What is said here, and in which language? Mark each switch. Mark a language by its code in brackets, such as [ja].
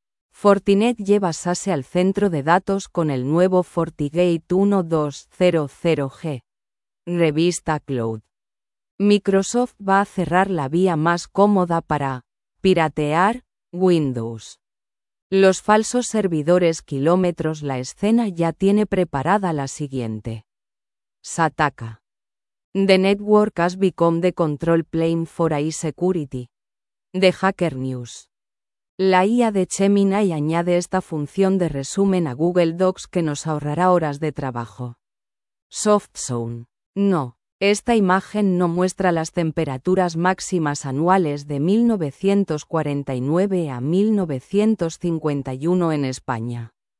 [es] Fortinet lleva SASE al centro de datos con el nuevo FortiGate 1200G. Revista Cloud. Microsoft va a cerrar la vía más cómoda para piratear Windows. Los falsos servidores kilómetros, la escena ya tiene preparada la siguiente. Sataka. [en] The network has become the control plane for AI security. The Hacker News. [es] La IA de Gemini añade esta función de resumen a Google Docs que nos ahorrará horas de trabajo. SoftZone. No, esta imagen no muestra las temperaturas máximas anuales de 1949 a 1951 en España.